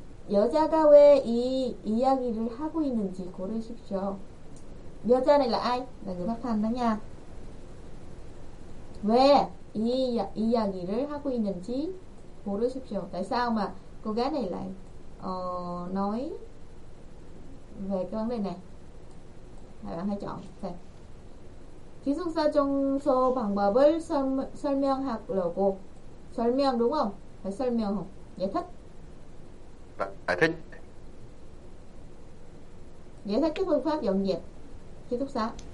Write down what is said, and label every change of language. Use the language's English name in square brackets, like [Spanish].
[Korean] 여자가 왜 이 이야기를 하고 있는지 고르십시오. 여자는 아이? 나는 박탄다냐? 왜? 이 이야기를 하고 있는지 고르십시오. [Vietnamese] Tại sao mà cô gái này lại nói về cái vấn đề này? Hai bạn hãy chọn. [Korean] 기숙사 청소 방법을 설명하려고. [Vietnamese] 설명 đúng không? Phải 설명 không? Giải thích. Giải thích. Giải thích cái phương pháp dọn dẹp ký túc xá.